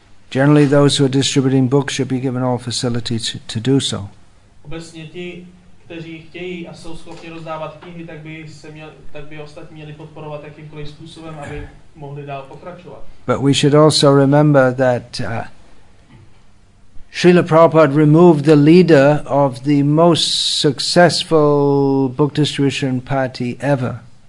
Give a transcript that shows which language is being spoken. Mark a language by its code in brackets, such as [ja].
[en] Generally, those who are distributing books should be given all facilities to do so. [cs] Obecně ti, kteří chtějí a jsou schopni rozdávat knihy, tak by ostatní měli podporovat jakýmkoliv způsobem, aby mohli dál pokračovat. [en] But we should also remember that Srila Prabhupada removed the leader of the most successful book distribution party ever.